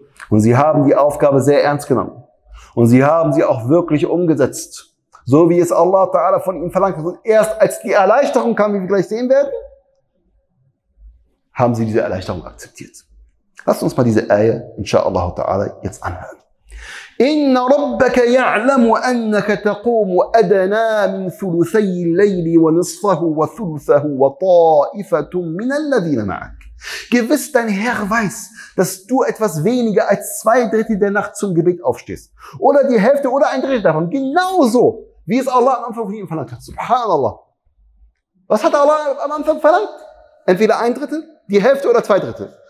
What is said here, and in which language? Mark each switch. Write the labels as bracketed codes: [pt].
[de] Und sie haben die Aufgabe sehr ernst genommen. Und sie haben sie auch wirklich umgesetzt. So wie es Allah Ta'ala von ihnen verlangt hat. Und erst als die Erleichterung kam, wie wir gleich sehen werden, haben sie diese Erleichterung akzeptiert. Lasst uns mal diese Ayah, insha'Allah Ta'ala, jetzt anhören. [ar] إن ربك يعلم أنك تقوم أدنى من ثلثي الليل ونصفه وثلثه وطائفة من الذين معك. [de] Gewiss, dein Herr weiß, dass du etwas weniger als 2/3 der Nacht zum Gebet aufstehst. Oder die Hälfte oder 1/3 davon. Genauso, wie es Allah am Anfang von ihm verlangt hat. Subhanallah. Was hat Allah am Anfang verlangt? Entweder 1/3, die Hälfte oder 2/3.